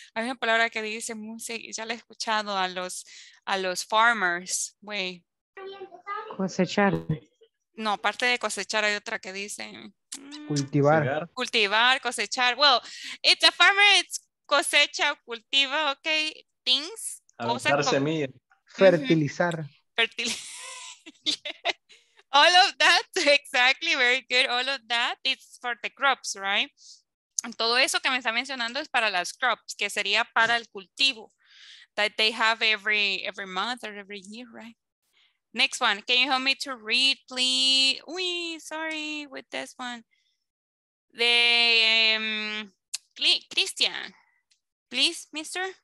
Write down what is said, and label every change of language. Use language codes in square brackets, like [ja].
[es] Hay una palabra que dice, ya la he escuchado a los farmers. [en] Wait. [es] Cosechar. No, aparte de cosechar, hay otra que dice... Cultivar. Cultivar, cosechar. [en] Well, it's a farmer, it's [es] cosecha, cultiva, [en] okay? Things. [es] Aventar semillas. Fertilizar. [en] Yeah. All of that, exactly, very good. All of that, it's for the crops, right? [es] Todo eso que me está mencionando es para las crops, que sería para el cultivo. [en] That they have every month or every year, right? Next one, can you help me to read, please? Wee, sorry, with this one. The, Christian, please, mister.